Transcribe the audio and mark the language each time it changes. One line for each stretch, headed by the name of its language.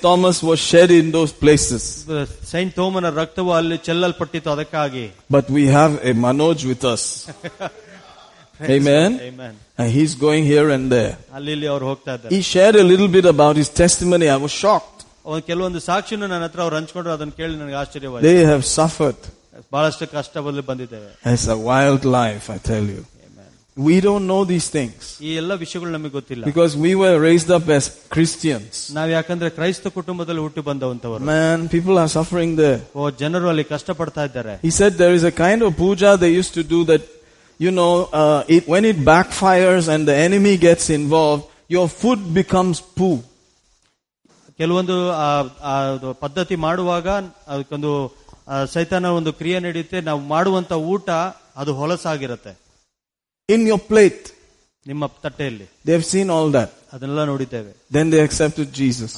English: Thomas was shed in those places. But we have a Manoj with us. Amen. Amen. And he's going here and there. He shared a little bit about his testimony. I was shocked.
Kannada: ಕೆಲವೊಂದು ಸಾಕ್ಷಿನ ನನ್ನ ಹತ್ರ ಅವ್ರು ಹಂಚಿಕೊಂಡ್ರೆ ಅದನ್ನು ಕೇಳಿ ನನಗೆ ಆಶ್ಚರ್ಯವಾಗಿದೆ.
English: They have suffered.
Kannada: ಬಹಳಷ್ಟು ಕಷ್ಟದಲ್ಲಿ ಬಂದಿದ್ದೇವೆ.
English: It's a wild life, I tell you. We don't know these things.
Kannada: ಈ ಎಲ್ಲ ವಿಷಯಗಳು ನಮಗೆ ಗೊತ್ತಿಲ್ಲ.
English: Because we were raised up as Christians.
Kannada: ನಾವು ಯಾಕಂದ್ರೆ ಕ್ರೈಸ್ತ ಕುಟುಂಬದಲ್ಲಿ ಹುಟ್ಟಿ ಬಂದವಂತವರು.
English: Man, people are suffering there.
Kannada: ಓ, ಜನರು ಅಲ್ಲಿ ಕಷ್ಟಪಡ್ತಾ ಇದ್ದಾರೆ.
English: He said there is a kind of puja they used to do that, you know, when it backfires and the enemy gets involved, your food becomes poo.
Kannada: ಕೆಲವೊಂದು ಪದ್ಧತಿ ಮಾಡುವಾಗ ಅದಕ್ಕೊಂದು ಸೈತಾನ ಒಂದು ಕ್ರಿಯೆ ನಡೆಯುತ್ತೆ, ನಾವು ಮಾಡುವಂತ ಊಟ ಅದು ಹೊಲಸಾಗಿರುತ್ತೆ.
English: in your plate,
Kannada: ನಿಮ್ಮ ತಟ್ಟೆಯಲ್ಲಿ.
English: they have seen all that,
Kannada: ಅದನ್ನೆಲ್ಲ ನೋಡಿದ್ದೇವೆ.
English: Then they accepted Jesus.